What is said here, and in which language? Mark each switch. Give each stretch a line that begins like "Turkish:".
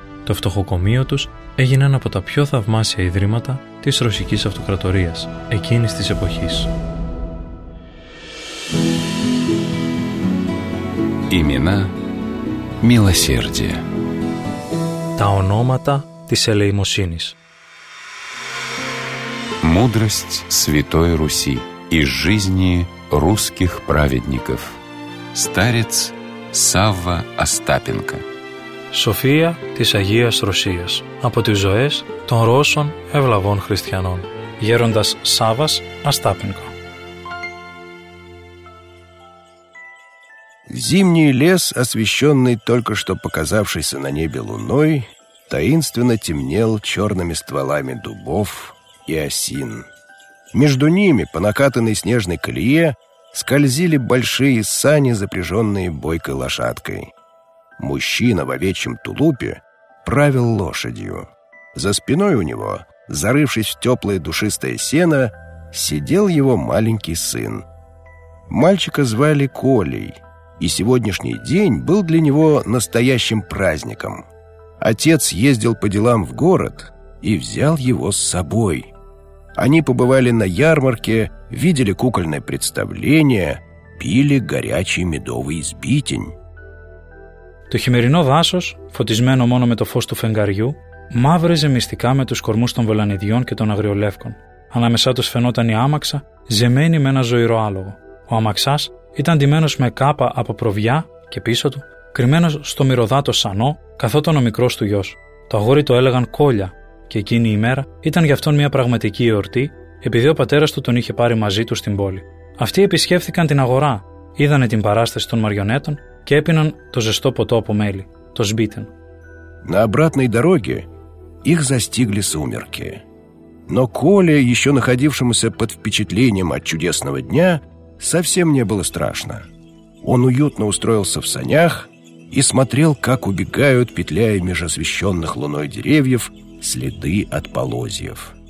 Greek: Το φτωχοκομείο τους έγινε ένα από τα πιο θαυμάσια ιδρύματα της Ρωσικής Αυτοκρατορίας εκείνης της εποχής.
Russian: Ημινά Μιλοσέρδια.
Greek: Τα ονόματα της ελεημοσύνης.
Russian: Мудрость Святой Руси из жизни русских праведников. Старец Савва Остапенко.
Greek: Σοφία της Αγίας Ρωσίας από τις ζωές των Ρώσων ευλαβών χριστιανών. Γέροντας Σάββας Αστάπινκο.
Russian: Зимний лес, освещенный только что показавшейся на небе луной, таинственно темнел черными стволами дубов и осин. Между ними, по накатанной снежной колее, скользили большие сани, запряженные бойкой лошадкой. Мужчина в овечьем тулупе правил лошадью. За спиной у него, зарывшись в теплое душистое сено, сидел его маленький сын. Мальчика звали Колей, и сегодняшний день был для него настоящим праздником. Отец ездил по делам в город и взял его с собой. Они побывали на ярмарке, видели кукольное представление, пили горячий медовый сбитень.
Greek: Το χειμερινό δάσος, φωτισμένο μόνο με το φως του φεγγαριού, μαύριζε μυστικά με τους κορμούς των βελανιδιών και των αγριολεύκων. Ανάμεσά τους φαινόταν η άμαξα, ζεμένη με ένα ζωηρό άλογο. Ο αμαξάς ήταν ντυμένος με κάπα από προβιά και πίσω του, κρυμμένος στο μυρωδάτο σανό, καθόταν ο μικρός του γιος. Το αγόρι το έλεγαν Κόλια, και εκείνη η μέρα ήταν για αυτόν μια πραγματική εορτή, επειδή ο πατέρας του τον είχε πάρει μαζί του στην πόλη. Αυτοί επισκέφθηκαν την αγορά, είδανε την παράσταση των μαριονέτων και έπιναν το ζεστό ποτό από μέλι, το σμπίτεν.
Russian: На обратной дороге их застигли сумерки. Но Коле, еще находившемуся под впечатлением от чудесного дня, совсем не было страшно. Он уютно устроился в санях и смотрел, как убегают, петляя меж освещенных луной деревьев, следы от полозьев.